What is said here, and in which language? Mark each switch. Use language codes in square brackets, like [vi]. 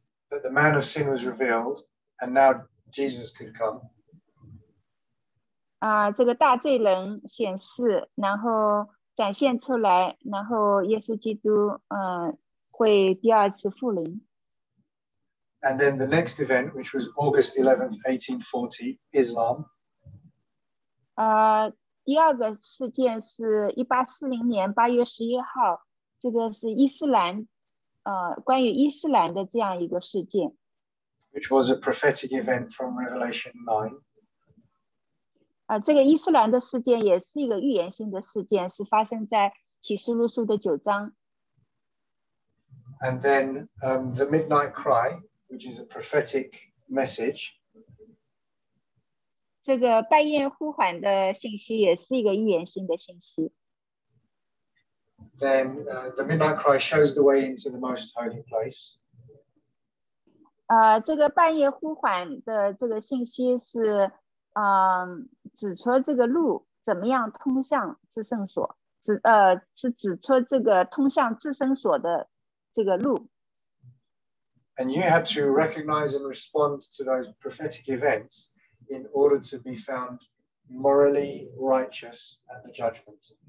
[en] that the man of sin was revealed and now Jesus could come. [zh] 这个大罪人显示，然后展现出来，然后耶稣基督会第二次复临。 [en] And then the next event, which was August 11th, 1840, Islam. [zh] 第二个事件是 1840 年 8月 11号, 这个是伊斯兰, 关于伊斯兰的这样一个事件, [en] which was a prophetic event from Revelation 9. [zh] 这个伊斯兰的事件也是一个预言性的事件, 是发生在启示录书的9章。 [en] And then the midnight cry, which is a prophetic message. [zh] 这个半夜呼喊的信息也是一个预言性的信息。 [en] Then the midnight cry shows the way into the most holy place. [zh] 这个半夜呼喊的这个信息是 指出这个路怎么样通向至圣所, 是指出这个通向至圣所的这个路。 [en] And you had to recognize and respond to those prophetic events in order to be found morally righteous at the judgment.